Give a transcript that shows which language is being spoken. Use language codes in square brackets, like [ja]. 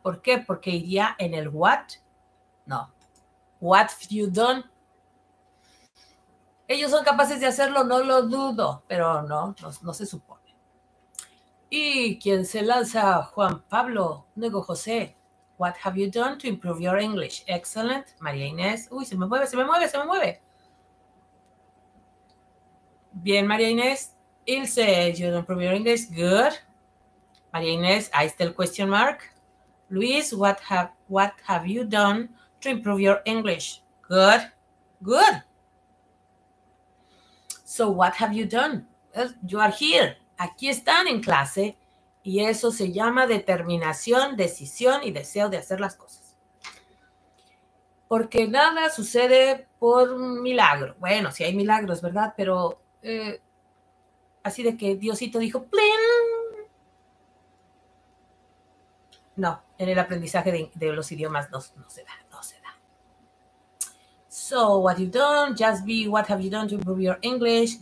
[es] ¿Por qué? Porque iría en el what. No. [en] What have you done? [es] Ellos son capaces de hacerlo, no lo dudo, pero no se supone. Y quien se lanza, Juan Pablo, luego José. [en] What have you done to improve your English? Excellent. [es] María Inés. Uy, se me mueve. Bien, María Inés. [en] Ilse, you don't improve your English. Good. [es] María Inés, ahí está el [en] question mark. Luis, what have you done to improve your English? Good. Good. So what have you done? Well, you are here. [es] Aquí están en clase. Y eso se llama determinación, decisión y deseo de hacer las cosas. Porque nada sucede por milagro. Bueno, sí hay milagros, ¿verdad? Pero así de que Diosito dijo, ¡plin! No, en el aprendizaje de los idiomas no se da. [en] So, what you done? Just be, what have you done to improve your English?